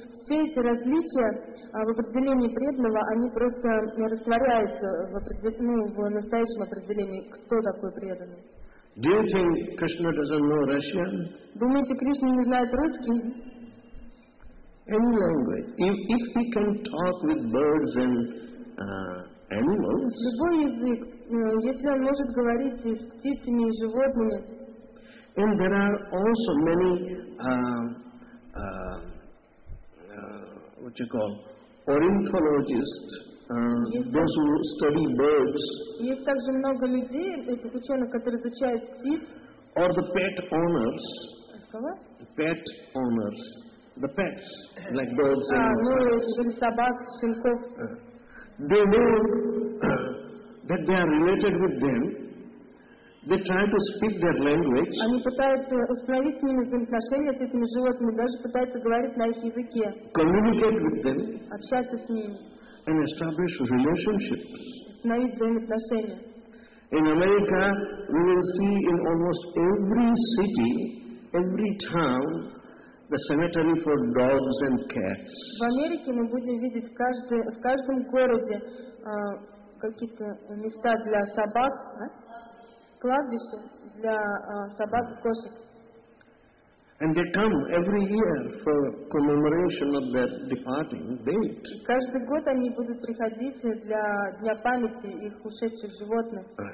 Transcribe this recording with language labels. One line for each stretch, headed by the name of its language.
Russian: Все эти различия в определении преданного, они просто растворяются в настоящем определении, кто такой преданный.
English: Do you think Krishna doesn't know Russian?
Russian: Думаете, Кришна не знает русский?
English: Any language. If he can talk with birds and animals.
Russian: Любой язык, если он может говорить с птицами и животными.
English: And there are also many what you call ornithologists. Those who study birds.
Russian: Есть также много людей, этих ученых, которые изучают птиц.
English: Or the pet owners.
Russian: Кого?
English: Pet owners. The pets, like birds and animals.
Russian: Собак, щенков.
English: They know that they are related with them. They try to speak their language.
Russian: Они пытаются установить с ними взаимоотношения с этими животными, даже пытаются говорить на их языке.
English: Communicate with them.
Russian: Общаться с ними.
English: And establish relationships.
Russian: Установить взаимоотношения.
English: In America, we will see in almost every city, every town, the cemetery for dogs and cats.
Russian: В Америке мы будем видеть в каждом городе какие-то места для собак, кладбище для собак и кошек.
English: And they come every year for commemoration of their departing date.
Russian: Каждый год они будут приходить для дня памяти их ушедших животных.